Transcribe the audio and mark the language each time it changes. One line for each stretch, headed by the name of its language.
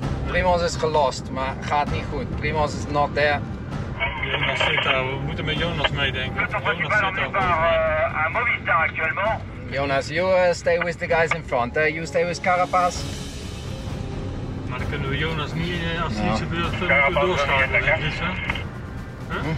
Dutch: Primoz is gelost, maar gaat niet goed.
English: Primoz is not there.
Dutch: Jonas zit daar, we moeten met Jonas meedenken. Jonas zit daar.
English: Jonas, you stay with the guys in front, eh? You stay with Carapaz.
Dutch: Maar dan kunnen we Jonas niet, als hij iets gebeurt, moeten we doorschakelen.